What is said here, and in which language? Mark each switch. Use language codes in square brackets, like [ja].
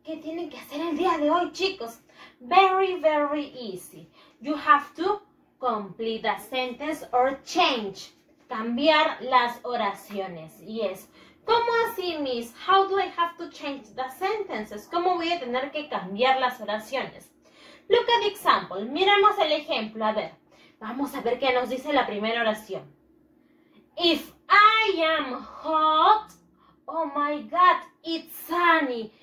[es] ¿Qué tienen que hacer el día de hoy, chicos? [en] Very, very easy. You have to complete a sentence or change. [es] Cambiar las oraciones. Yes. ¿Cómo así, Miss? [en] How do I have to change the sentences? [es] ¿Cómo voy a tener que cambiar las oraciones? [en] Look at the example. [es] Miremos el ejemplo. A ver. Vamos a ver qué nos dice la primera oración. [en] If I am hot, oh my God, it's sunny.